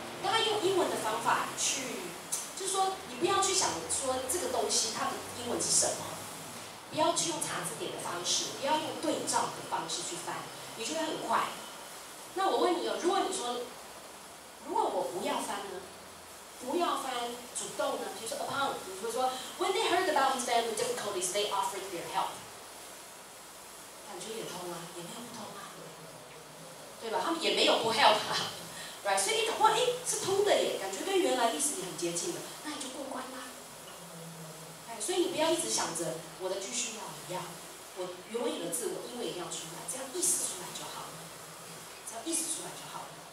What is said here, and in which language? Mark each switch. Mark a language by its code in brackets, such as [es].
[zh] 大家用英文的方法去，就是说你不要去想说这个东西它的英文是什么，不要去用查字典的方式，不要用对照的方式去翻，你就会很快。那我问你哦，如果我不要翻呢？不要翻主动呢？比如说 [en] upon， [zh] 比如说 [en] when they heard about his family difficulties, they offered their help。 [zh] 感觉也通啊，也没有不通啊，对吧？他们也没有不 help 啊。来，所以一搞不好，哎，是通的耶，感觉跟原来历史你很接近了，那你就过关啦。哎，所以你不要一直想着我的句序要一样，我原文有的字我英文也要出来，这样意思出来就好了，只要意思出来就好了。